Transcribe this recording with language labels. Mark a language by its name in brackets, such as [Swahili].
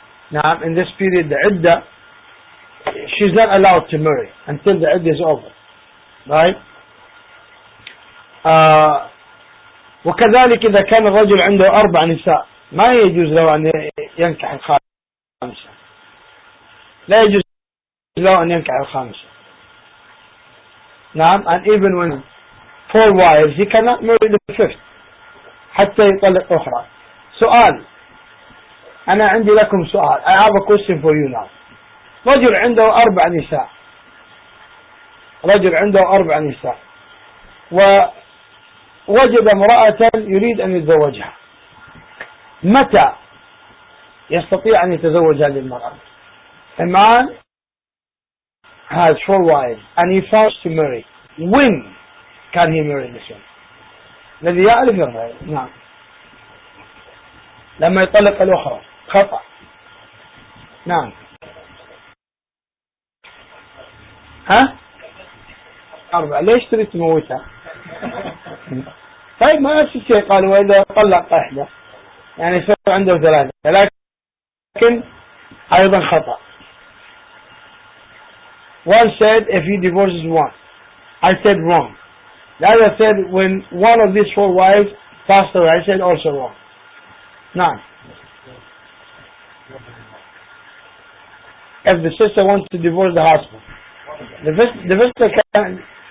[English] Now in this period the عدة, she's not allowed to marry until the عدة is over. Right? [Arabic] وكذلك إذا كان الرجل عنده أربع نساء ما يجوز له أن ينكح الخامسة. لا يجوز له أن ينكح الخامسة. نعم. [English] And even when four wives he cannot marry the fifth [Arabic] حتى يطلق أخرى. سؤال, أنا عندي لكم سؤال. [English] I have a question for you now. [Arabic] رجل عنده أربع نساء, رجل عنده أربع نساء و وجد امرأة يريد أن يتزوجها, متى يستطيع أن يتزوج هذه المرأة؟ [English] A man has four wives and he wants to marry. When can he marry this one? [Arabic] الذي يعرف الرأي. نعم. لما يطلق الأخرى. خطأ. نعم. ها؟ أربعة. ليش تريد تموتها؟ طيب ما نفس الشيء. قالوا إذا طلق إحدى يعني صار عنده ثلاثة, لكن أيضا خطأ. [English] One said if he divorces one, I said wrong. The other said when one of these four wives passed away, I said also wrong. [Arabic] نعم. [English] If the sister wants to divorce the husband, the sister can.